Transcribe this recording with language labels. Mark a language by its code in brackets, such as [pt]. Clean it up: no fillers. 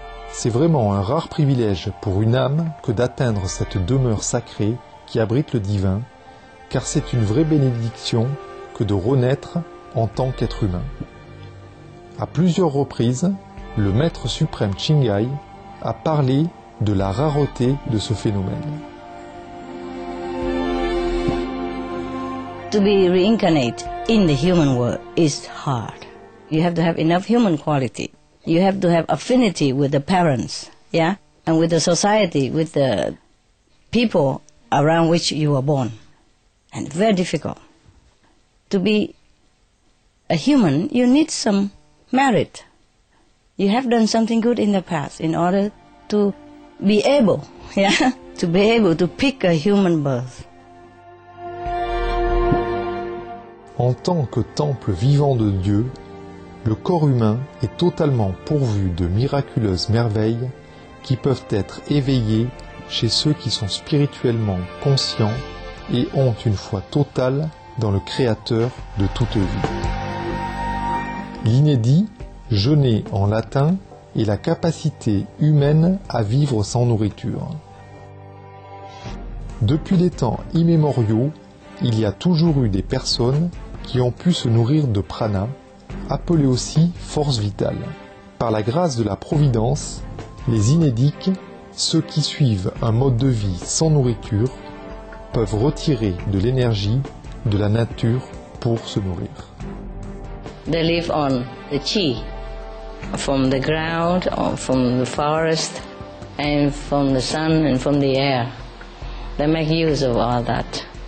[fr] C'est vraiment un rare privilège pour une âme que d'atteindre cette demeure sacrée qui abrite le divin, car c'est une vraie bénédiction que de renaître en tant qu'être humain. À plusieurs reprises, le Maître suprême Qinghai a parlé de la rareté de ce phénomène. [en] To be reincarnate in the human world is hard. You have to have enough human quality. You have to have affinity with the parents, yeah? And with the society, with the people around which you were born. And very difficult. To be a human, you need some merit. You have done something good in the past in order to be able, yeah? To be able to pick a human birth. [fr] En tant que temple vivant de Dieu, le corps humain est totalement pourvu de miraculeuses merveilles qui peuvent être éveillées chez ceux qui sont spirituellement conscients et ont une foi totale dans le Créateur de toute vie. L'inédit, jeûner en latin, est la capacité humaine à vivre sans nourriture. Depuis les temps immémoriaux, il y a toujours eu des personnes qui ont pu se nourrir de prana, appelé aussi force vitale. Par la grâce de la Providence, les inédiques, ceux qui suivent un mode de vie sans nourriture, peuvent retirer de l'énergie de la nature pour se nourrir. [en] They live on the chi, from the ground, from the forest, and from the sun and from the air. They make use of all that.